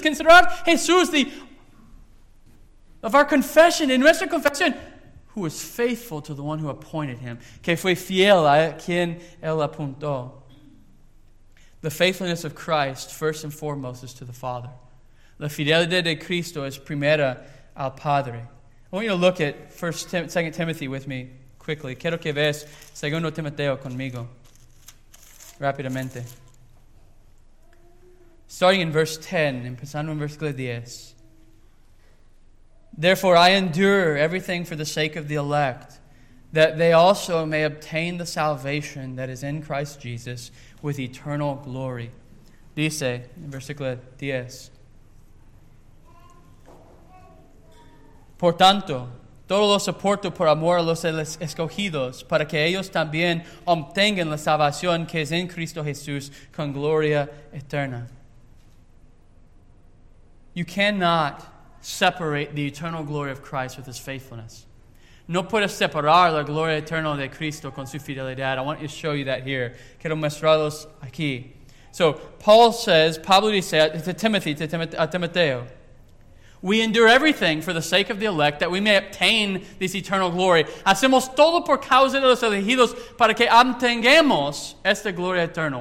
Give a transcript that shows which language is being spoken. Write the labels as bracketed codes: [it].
[en] Consider Jesús, the of our confession, in [es] nuestra confesión, [en] who was faithful to the one who appointed him. [es] Que fue fiel a quien él apuntó. [en] The faithfulness of Christ, first and foremost, is to the Father. [es] La fidelidad de Cristo es primera al Padre. [en] I want you to look at 2 Timothy with me quickly. [es] Quiero que veas 2 Timoteo conmigo. Rápidamente. [en] Starting in verse 10, [es] empezando en versículo 10. [en] Therefore I endure everything for the sake of the elect, that they also may obtain the salvation that is in Christ Jesus with eternal glory. [es] Dice, in versículo 10. Por tanto, todo lo soporto por amor a los escogidos, para que ellos también obtengan la salvación que es en Cristo Jesús con gloria eterna. [en] You cannot separate the eternal glory of Christ with his faithfulness. [es] No puedes separar la gloria eterna de Cristo con su fidelidad. [en] I want to show you that here. [es] Quiero mostrarlos aquí. [en] So, Paul says, [es] Pablo dice a Timoteo, [en] we endure everything for the sake of the elect that we may obtain this eternal glory. [es] Hacemos todo por causa de los elegidos para que obtengamos esta gloria eterna.